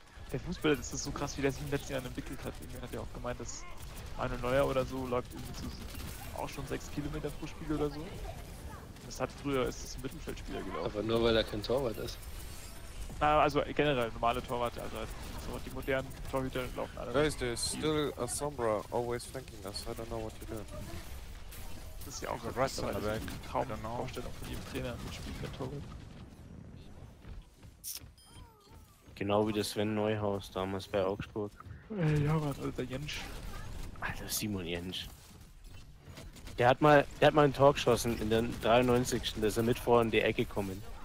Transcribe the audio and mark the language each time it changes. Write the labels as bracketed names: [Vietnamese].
[German] Der Fußball, das ist so krass, wie der sich im letzten Jahr entwickelt hat. Irgendwie hat er auch gemeint, dass Manuel Neuer oder so läuft irgendwie zu, auch schon 6 Kilometer pro Spiel oder so. Das hat früher, ist das ein Mittelfeldspieler gelaufen. Aber nur weil er kein Torwart ist. Na, also generell, normale Torwart, also Torwart, die modernen Torhüter laufen alle. [English] There is this, still a Sombra, always flanking us, I don't know what you do. [German] Das ist ja auch ein so eine Traumvorstellung von jedem Trainer mit Spiel per Torwart. Genau wie der Sven Neuhaus damals bei Augsburg. Ja, Mann, alter Jens. Alter Simon Jens. Der hat mal ein Tor geschossen in den 93. Da ist er mit vor in die Ecke gekommen.